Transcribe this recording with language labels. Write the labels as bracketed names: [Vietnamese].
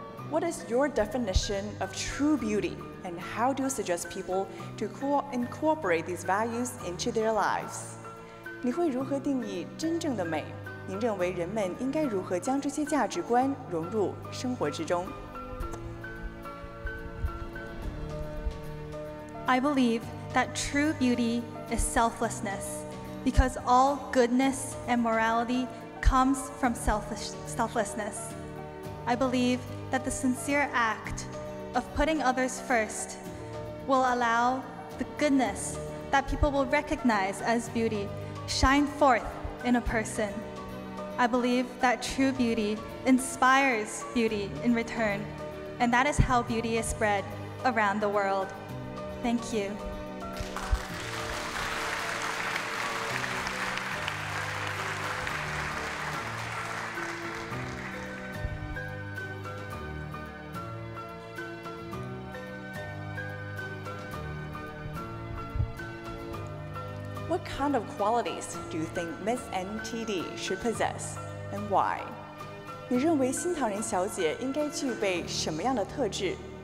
[English] What is your definition of true beauty, and how do you suggest people to incorporate these values into their lives? [Chinese] 你会如何定义真正的美？您认为人们应该如何将这些价值观融入生活之中 [English] ？I believe that true beauty is selflessness, because all goodness and morality comes from selflessness. I believe that the sincere act of putting others first will allow the goodness that people will recognize as beauty shine forth in a person. I believe that true beauty inspires beauty in return, and that is how beauty is spread around the world. Thank you. What kind of qualities do you think Miss NTD should possess, and why? [Chinese] 你认为新唐人小姐应该具备什么样的特质？